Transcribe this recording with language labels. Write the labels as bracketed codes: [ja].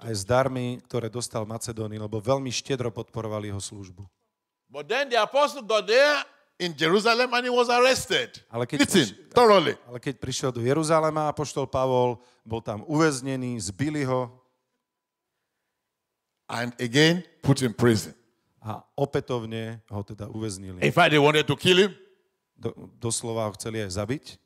[sk] Aj s darmi, ktoré dostal Macedónii, lebo veľmi štedro podporovali jeho službu. [en] But then the apostle got there in Jerusalem and he was arrested. [sk] Ale keď, [en] listen, thoroughly. [sk] Ale keď prišiel do Jeruzalema, apoštol Pavol bol tam uväznený, zbili ho. [en] And again put in prison. [sk] A opätovne ho teda uväznili. [en] If they wanted to kill him, [sk] doslova ho chceli aj zabiť.